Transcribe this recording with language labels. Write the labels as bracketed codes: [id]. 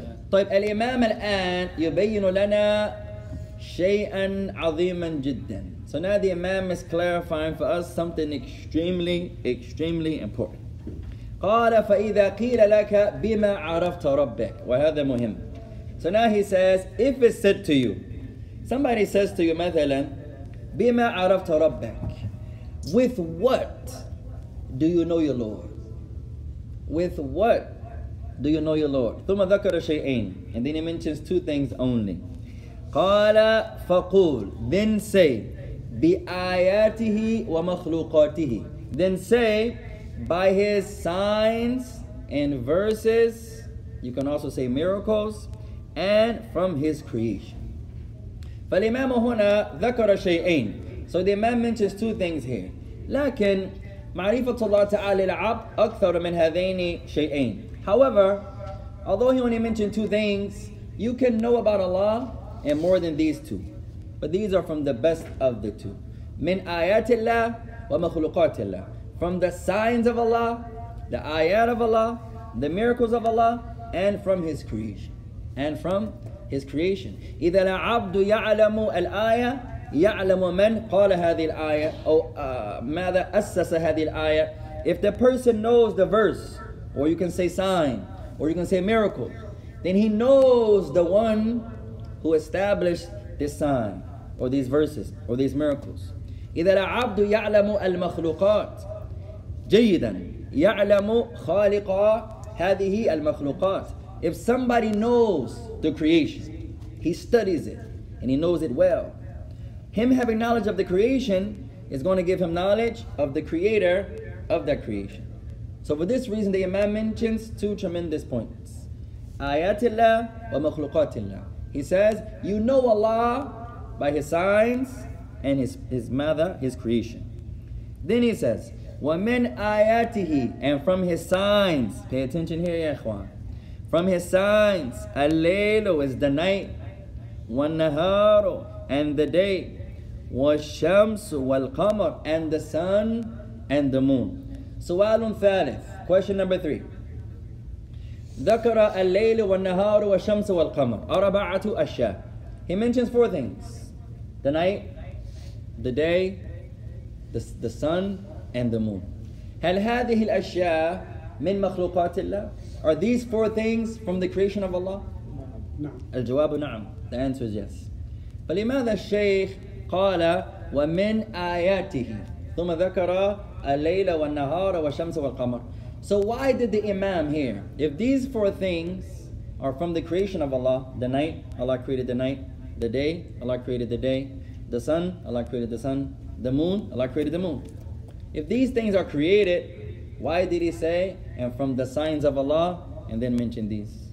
[ar] طيب الإمام الآن يبين لنا شيئا عظيما جدا. [en] So now the Imam is clarifying for us something extremely, extremely important. [ar] قال فإذا قيل لك بما عرفت ربك وهذا مهم. [en] So now he says, if it's said to you, somebody says to you, مثلا, [ar] بما عرفت ربك, [en] with what do you know your Lord? With what do you know your Lord? [ar] ثم ذكر شيئين, [en] and then he mentions two things only. [ar] قال فقول, [en] then say, [ar] بِآيَاتِهِ وَمَخْلُوقَاتِهِ, [en] then say, by his signs and verses, you can also say miracles, and from his creation. [ar] فالإمام هنا ذكر شيئين. [en] So the Imam mentions two things here. [ar] لكن معرفة الله تعالى العبد أكثر من هذين شيئين. [en] However, although he only mentioned two things, you can know about Allah and more than these two. But these are from the best of the two. [ar] من آيات الله ومخلوقات الله. [en] From the signs of Allah, the ayat of Allah, the miracles of Allah, and from His creation. And from His creation. [ar] إذا العبد يعلم الآية يعلم من قال هذه الآية أو ماذا أسس هذه الآية. [en] If the person knows the verse, or you can say sign, or you can say miracle, then he knows the one who established this sign, or these verses, or these miracles. [ar] إذا العبد يعلم المخلوقات جيدا يعلم خالق هذه المخلوقات. [en] If somebody knows the creation, he studies it and he knows it well. Him having knowledge of the creation is going to give him knowledge of the creator of that creation. So for this reason, the Imam mentions two tremendous points. [ar] آيات الله ومخلوقات الله. [en] He says, you know Allah by His signs and His mother, His creation. Then he says, [ar] وَمِنْ آيَاتِهِ, [en] and from His signs, pay attention here, ya ikhwan, from His signs, اللَّيْلُ is the night, وَالنَّهَارُ and the day, [ar] وَالشَّمْسُ وَالْقَمَرُ [en] and the sun and the moon. [ar] سُوَالٌ ثَالِثٌ, [en] question number three. [ar] ذكر الليل والنهار والشمس والقمر أربعة أشياء. [en] He mentions four things: the night, the day, the sun, and the moon. [ar] هل هذه الأشياء من مخلوقات الله? [en] Are these four things from the creation of Allah? [ar] نعم. الجواب نعم. [en] The answer is yes. [ar] فلماذا الشيخ قال ومن آياته ثم ذكر الليل والنهار والشمس والقمر? [en] So why did the Imam here, if these four things are from the creation of Allah, the night, Allah created the night, the day, Allah created the day, the sun, Allah created the sun, the moon, Allah created the moon. If these things are created, why did he say, and from the signs of Allah, and then mention these?